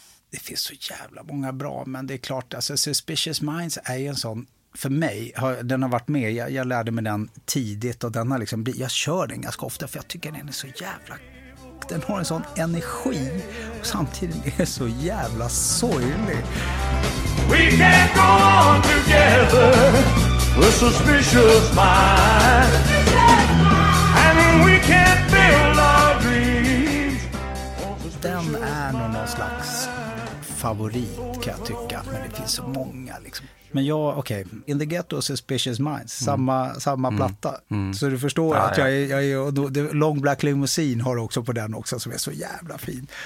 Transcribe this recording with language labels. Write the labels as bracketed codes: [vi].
[sv] Det finns så jävla många bra, men det är klart, alltså Suspicious Minds är ju en sån, för mig, den har varit med, jag lärde mig den tidigt och den har liksom, jag kör den ganska ofta för jag tycker den är så jävla, den har en sån energi och samtidigt är den så jävla sorglig. [en] We can't go on together with Suspicious Minds, and we can't build our dreams. [sv] Den är nog någon slags favorit kan jag tycka, men det finns så många liksom. Men jag, okej, okay. In the Ghetto och Suspicious Minds, samma platta. Så du förstår att jag är och Long Black Limousine har också på den också, som är så jävla fin.